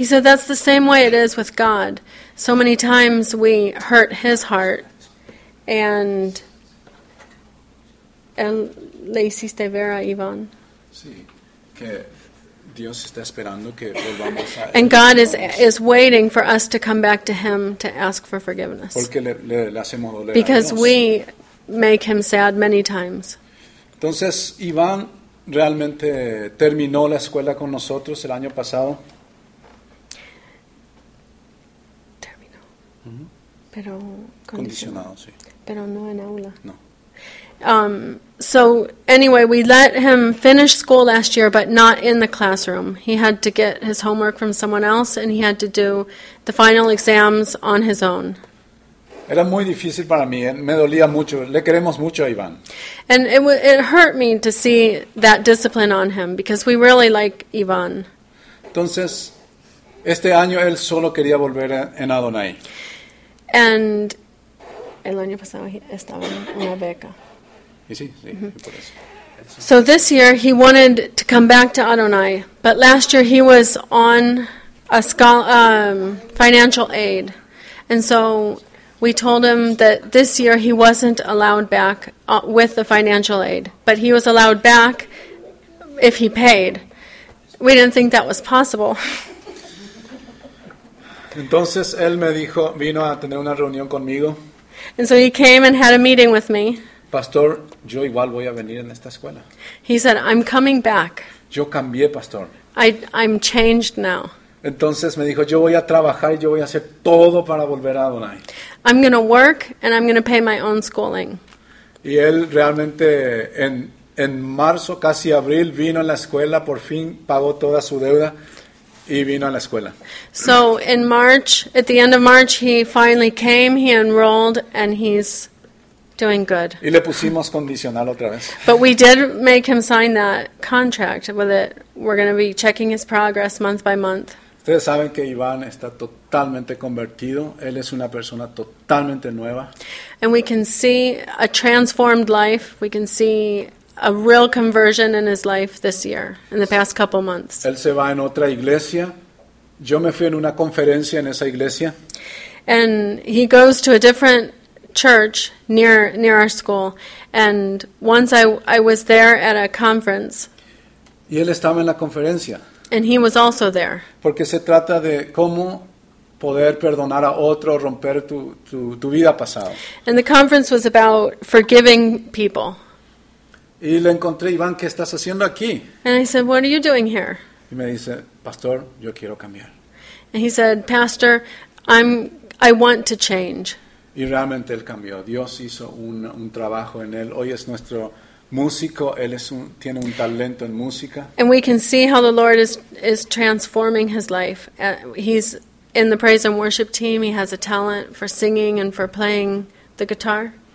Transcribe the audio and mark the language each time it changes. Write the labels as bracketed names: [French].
[English] He said, "That's the same way it is with God. So many times we hurt his heart and [Spanish] le hiciste ver a Iván." Sí, que Dios está esperando que volvamos a [English] And God is waiting for us to come back to Him to ask for forgiveness. [Spanish] Porque le hacemos doler [English] Because [Spanish] a Dios. [English] We make Him sad many times. [Spanish] Entonces, Iván realmente terminó la escuela con nosotros el año pasado. Terminó. Mm-hmm. Pero condicionado, sí. Pero no en aula. No. [English] So anyway, we let him finish school last year, but not in the classroom. He had to get his homework from someone else, and he had to do the final exams on his own. [Spanish] Era muy difícil para mí. Me dolía mucho. Le queremos mucho a Iván. [English] And it hurt me to see that discipline on him, because we really like Iván. [Spanish] Entonces, este año él solo quería volver en Adonai. And el año pasado estaba en una beca. Mm-hmm. [English] So this year he wanted to come back to Adonai, but last year he was on a financial aid, and so we told him that this year he wasn't allowed back with the financial aid, but he was allowed back if he paid. We didn't think that was possible. [Spanish] Entonces él me dijo, vino a tener una reunión conmigo. [English] And so he came and had a meeting with me. [Spanish] Pastor, yo igual voy a venir en esta escuela. [English] He said, I'm coming back. [Spanish] Yo cambié, pastor. [English] I'm changed now. [Spanish] Entonces me dijo, yo voy a trabajar y yo voy a hacer todo para volver a Adonai. [English] I'm going to work and I'm going to pay my own schooling. [Spanish] Y él realmente en marzo, casi abril, vino a la escuela, por fin pagó toda su deuda y vino a la escuela. [English] So in March, at the end of March, he finally came, he enrolled, and he's doing good. [Spanish] Y le pusimos condicional otra vez. [English] But we did make him sign that contract with it. We're going to be checking his progress month by month. [Spanish] Ustedes saben que Iván está totalmente convertido. Él es una persona totalmente nueva. [English] And we can see a transformed life. We can see a real conversion in his life this year, in the past couple months. [Spanish] Él se va en otra iglesia. Yo me fui en una conferencia en esa iglesia. [English] And he goes to a different church near our school, and once I was there at a conference. [Spanish] Y él estaba en la conferencia. [English] And he was also there. [Spanish] Porque se trata de cómo poder perdonar a otro, romper tu vida pasada. [English] And the conference was about forgiving people. [Spanish] Y le encontré, Iván, ¿qué estás haciendo aquí? [English] And I said, what are you doing here? [Spanish] Y me dice, pastor, yo quiero cambiar. [English] And he said, pastor, I want to change. [Spanish] Y realmente él cambió. Dios hizo un trabajo en él. Hoy es nuestro músico. Él tiene un talento en música. [English] And we can see how the Lord is transforming his life. He's in the praise and worship team. He has a talent for singing and for playing the guitar.